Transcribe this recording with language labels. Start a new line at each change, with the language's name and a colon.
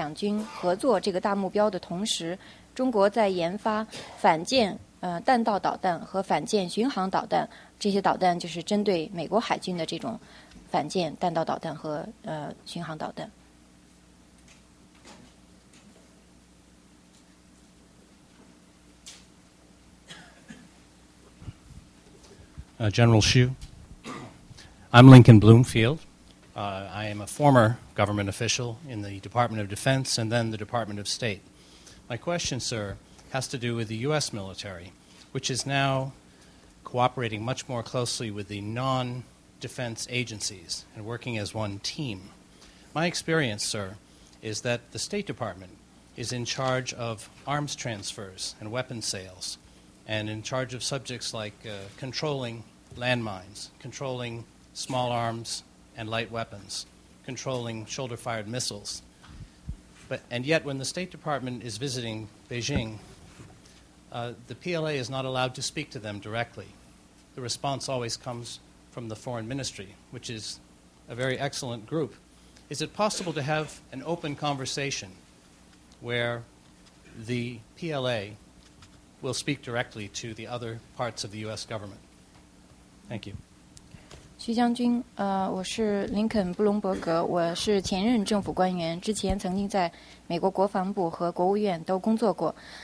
Chinese: 我的问题是在美国有很多分析人士，他们在提出这样的问题，为什么在提出中美两军合作这个大目标的同时， 中国在研发反舰弹道导弹和反舰巡航导弹这些导弹，就是针对美国海军的这种反舰弹道导弹和巡航导弹。General
English: Hsu, I'm Lincoln Bloomfield. I am a former government official in the Department of Defense and then the Department of State. My question, sir, has to do with the U.S. military, which is now cooperating much more closely with the non-defense agencies and working as one team. My experience, sir, is that the State Department is in charge of arms transfers and weapons sales and in charge of subjects like controlling landmines, controlling small arms and light weapons, controlling shoulder-fired missiles. And yet when the State Department is visiting Beijing, the PLA is not allowed to speak to them directly. The response always comes from the Foreign Ministry, which is a very excellent group. Is it possible to have an open conversation where the PLA will speak directly to the other parts of the U.S. government? Thank you.
Chinese: 徐将军，我是林肯布隆伯格，我是前任政府官员，之前曾经在美国国防部和国务院都工作过。